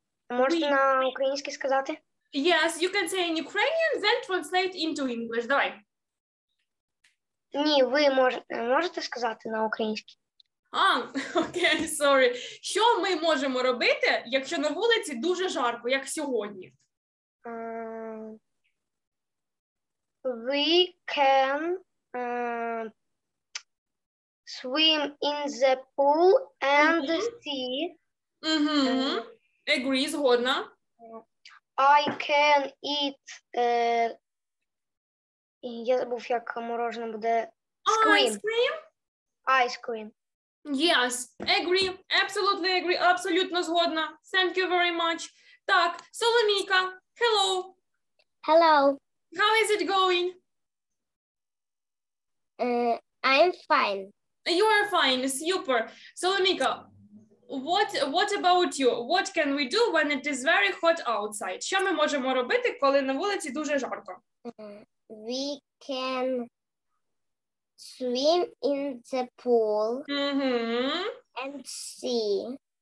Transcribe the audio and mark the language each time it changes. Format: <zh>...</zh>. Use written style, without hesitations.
<uk>Можна українське сказати?</uk> <en>Yes, you can say in Ukrainian, then translate into English.</en> <uk>Давай. Ні, ви можете сказати на українське? А, окей, сорі. Що ми можемо робити, якщо на вулиці дуже жарко, як сьогодні?</uk> <en>We can swim in the pool and see. Agree,</en> <uk>згодна.</uk> <en>I can eat,</en> <uk>я забув, як морожене буде.</uk> <en>Ice cream. Yes, agree, absolutely agree,</en> <uk>абсолютно згодна.</uk> <en>Thank you very much.</en> <uk>Так, Соломійка, hello.</uk> <en>Hello. How is it going? I'm fine. You are fine, super. Соломійка, what about you? What can we do when it is very hot outside?</en> <uk>Що ми можемо робити, коли на вулиці дуже жарко?</uk> <en>We can swim in the pool and see.</en>